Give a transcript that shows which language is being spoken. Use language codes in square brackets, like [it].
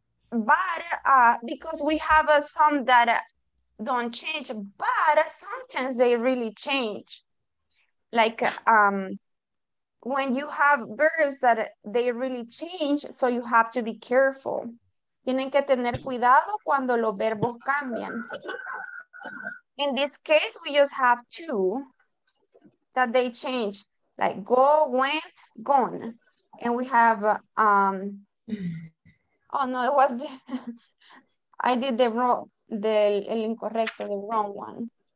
[en] But because we have some that don't change, but sometimes they really change. Like when you have verbs that they really change, so you have to be careful. [es] Tienen que tener cuidado cuando los verbos cambian. [en] In this case, we just have two that they change, like go, went, gone. And we have, oh no, it was, the, I did the wrong, the [es] el incorrecto, [en] the wrong one.